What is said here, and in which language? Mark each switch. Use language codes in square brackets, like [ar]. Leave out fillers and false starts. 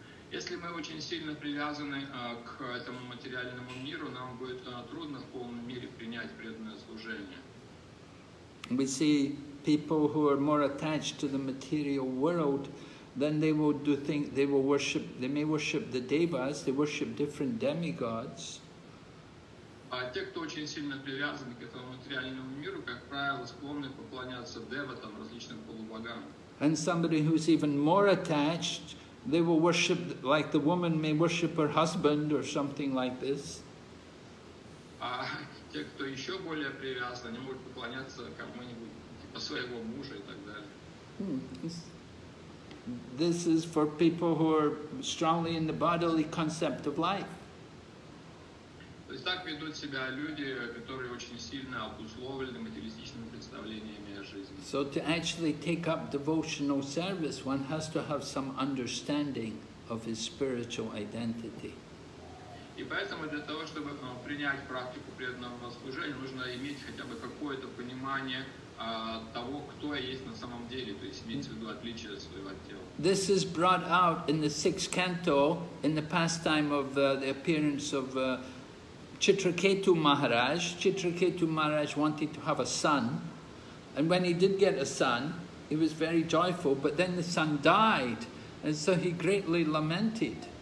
[ru] Если мы очень сильно привязаны к этому материальному миру, нам будет трудно в полном мире принять преданное служение. [en] We see people who are more attached to the material world, then they will do things, they will worship, they may worship the devas, they worship different demigods. [ru] Те, кто очень сильно привязаны к этому материальному миру, как правило, склонны поклоняться деватам, различным полубогам. [en] And somebody who is even more attached, they will worship, like the woman may worship her husband or something like this. [ru] Те, кто еще более привязаны, они могут поклоняться кому-нибудь, типа своего мужа и так далее. [en] This is for people who are strongly in the bodily concept of life. [ru] То есть так ведут себя люди, которые очень сильно обусловлены материалистичными представлениями о жизни. [en] So to actually take up devotional service, one has to have some understanding of his spiritual identity. [ru] И поэтому для того, чтобы принять практику преданного служения, нужно иметь хотя бы какое-то понимание того, кто я есть на самом деле, то есть имеется в виду отличие от своего тела. [en] This is brought out in the sixth canto in the pastime of the appearance of Chitraketu Maharaj. Chitraketu Maharaj wanted to have a son, and when he did get a son, he was very joyful, but then the son died, and so he greatly lamented.